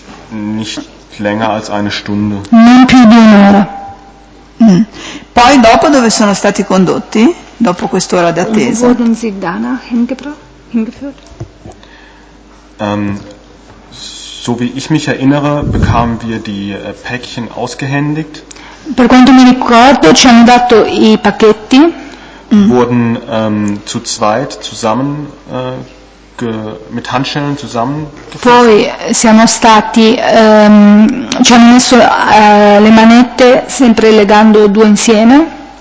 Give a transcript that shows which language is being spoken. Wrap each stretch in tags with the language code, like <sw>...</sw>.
<de>Nicht länger als eine Stunde.</de> <it>Non più di un'ora. Poi dopo dove sono stati condotti? Dopo quest'ora d'attesa?</it> <de>Wurden Sie danach hingeführt? So wie ich mich erinnere, bekamen wir die Päckchen ausgehändigt.</de> <it>Per quanto mi ricordo, ci hanno dato i pacchetti.</it> <de>Wurden zu zweit zusammen mit Handschellen zusammen.</de> <it>Poi siamo stati ci hanno messo le manette sempre legando due insieme.</it>